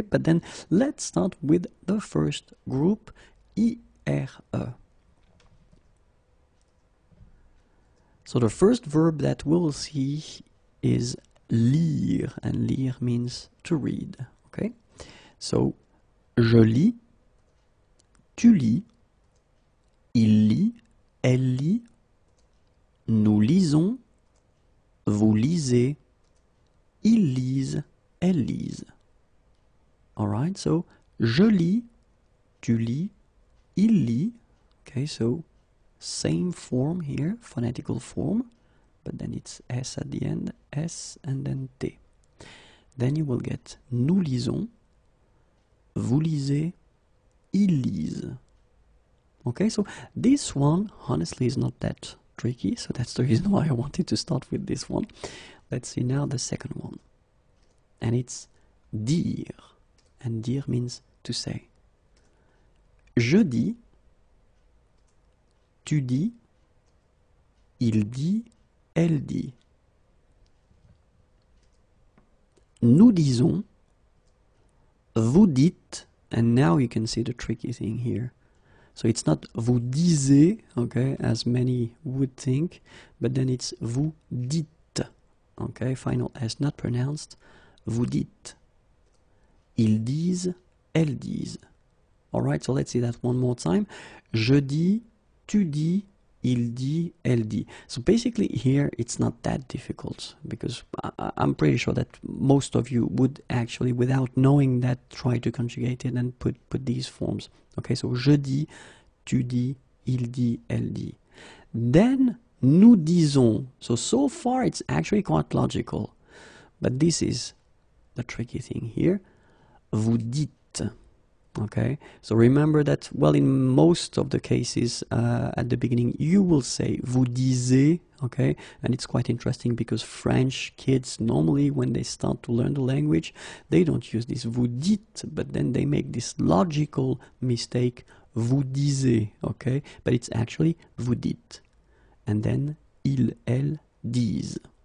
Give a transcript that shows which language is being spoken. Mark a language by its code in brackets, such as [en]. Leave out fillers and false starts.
[en] But then let's start with the first group, IRE. So the first verb that we'll see is lire, and lire means to read, okay? [fr] So, je lis, tu lis, il lit, elle lit, nous lisons, vous lisez, ils lisent, elles lisent. [en] Alright, so, [fr] je lis, tu lis, il lit, [en] okay, so, same form here, phonetical form, but then it's S at the end, S and then T. Then you will get [fr] nous lisons, vous lisez, ils lisent. [en] Okay, so this one honestly is not that tricky, so that's the reason why I wanted to start with this one. Let's see now the second one. And it's dire, and dire means to say. [fr] Je dis, tu dis, il dit, elle dit. Nous disons, vous dites, [en] and now you can see the tricky thing here. So it's not [fr] vous disiez, [en] okay, as many would think, but then it's [fr] vous dites, [en] okay, final S not pronounced, vous dites. [fr] Ils disent, elles disent. [en] Alright, so let's see that one more time. [fr] Je dis, tu dis, il dit, elle dit. [en] So basically here it's not that difficult, because I'm pretty sure that most of you would actually, without knowing that, try to conjugate it and put these forms. Okay, so [fr] je dis, tu dis, il dit, elle dit. [en] Then [fr] nous disons. [en] So far it's actually quite logical, but this is the tricky thing here. [fr] Vous dites. [en] Okay, so remember that, well, in most of the cases at the beginning, you will say [fr] vous disiez, [en] okay, and it's quite interesting because French kids normally, when they start to learn the language, they don't use this [fr] vous dites, [en] but then they make this logical mistake, vous disiez, okay, but it's actually vous dites, and then [fr] ils, elles disent.